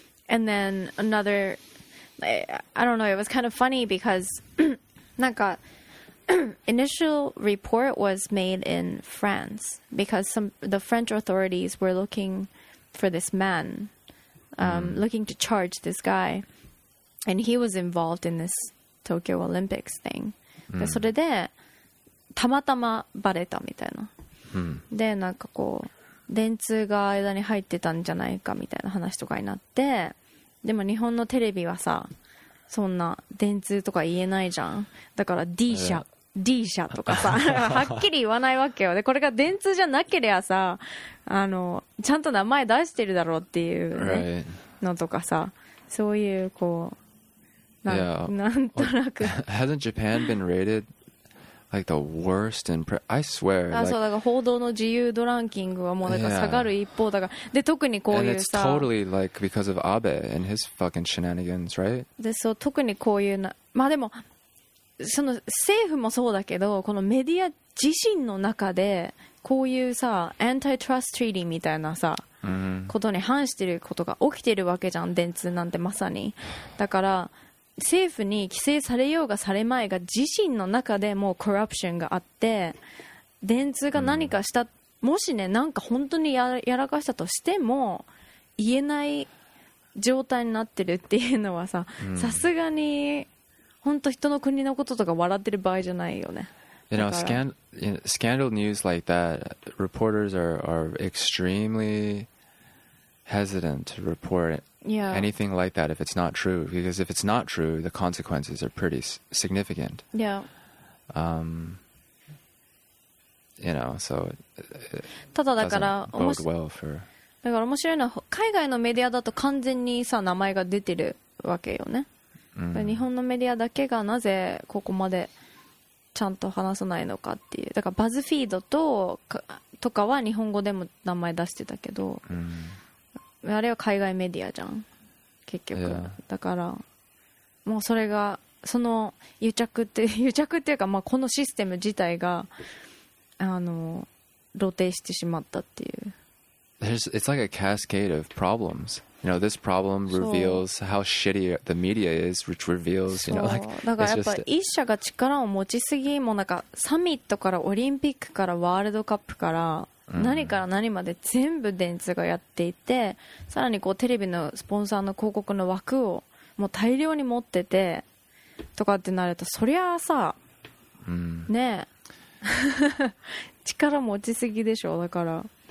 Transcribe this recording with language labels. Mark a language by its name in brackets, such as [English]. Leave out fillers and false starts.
[English] And then another, I don't know, it was kind of funny because initial report was made in France because the French authorities were looking for this man, looking to charge this guy. And he was involved in this Tokyo Olympics thing. Mm. [Japanese] それでたまたまバレたみたいな。で、なんかこう、電通が間に入ってたんじゃないかみたいな話とかになって、でも日本のテレビはさ、そんな電通とか言えないじゃん。だから D 社、D 社とかさ、はっきり言わないわけよ。で、これが電通じゃなければさ、ちゃんと名前出してるだろうっていう、ね [English] right. [Japanese] のとかさ、そういうこう、 [English] Hasn't Japan been rated like the worst in I swear. [Japanese] あ、そうだから報道の自由度ランキングはもうなんか下がる一方だから。で、特にこういうさ。 [English] And it's totally like because of Abe and his fucking shenanigans, right? [Japanese] で、そう、特にこういうな。まあでも、その政府もそうだけど、このメディア自身の中でこういうさ、アンタイトラスト・トリーティーみたいなさ、ことに反してることが起きてるわけじゃん、電通なんてまさに。だから、政府に規制されようがされまいが自身の中でもうコラプションがあって電通が何かした、もしねなんか本当にやらかしたとしても言えない状態になってるっていうのはさ、さすがに本当人の国のこととか笑ってる場合じゃないよね。 [English] You know, scandal news like that, reporters are extremely hesitant to report it Yeah. Anything like that if it's not true. Because if it's not true, the consequences are pretty significant. Yeah. You know, so it doesn't bode well for... [Japanese] だから面白いのは、海外のメディアだと完全にさ、名前が出てるわけよね。日本のメディアだけがなぜここまでちゃんと話さないのかっていう。だからバズフィードとかは日本語でも名前出してたけど。あれは海外メディアじゃん結局、 [English] yeah. [Japanese] だからもうそれがその癒着っていうか、まあ、このシステム自体が露呈してしまったっていう [English] it's like a cascade of problems. You know, this problem reveals how shitty the media is, which reveals, you know, like, it's just... [Japanese] だからやっぱ一社が力を持ちすぎもなんかサミットからオリンピックからワールドカップから何から何まで全部電通がやっていて、さらにこうテレビのスポンサーの広告の枠をもう大量に持っててとかってなると、そりゃあさ、ねえ、力持ちすぎでしょ、だから。